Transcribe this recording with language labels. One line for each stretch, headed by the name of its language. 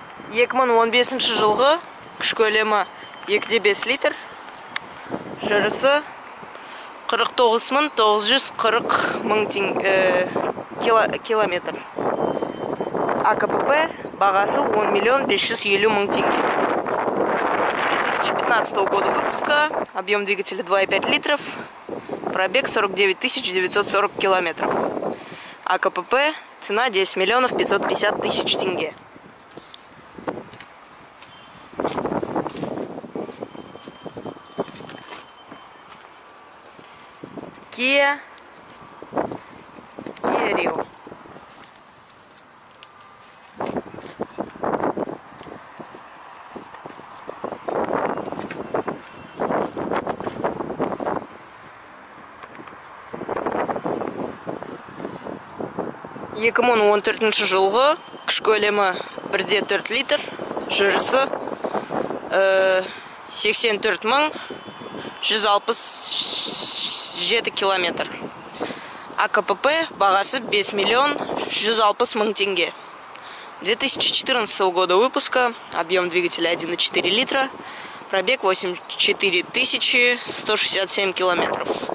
Kazakh: Екі мың он бесінші жылғы күш көлемі 2.5 литр, жүрісі 49.940 километр. АКПП бағасы 10.550.000 теңге.
Russian: 2015 года выпуска, объем двигателя 2.5 литров, пробег 49.940 километров. АКПП, цена 10.550.000 тенге. Kia Rio.
Kazakh: 2014 жылғы күш көлемі 1.4 литр, жүрісі 84167 километр. АКПП бағасы 5 160 000 тенге.
Russian: 2014 года выпуска, объем двигателя 1.4 литра, пробег 84167 километров.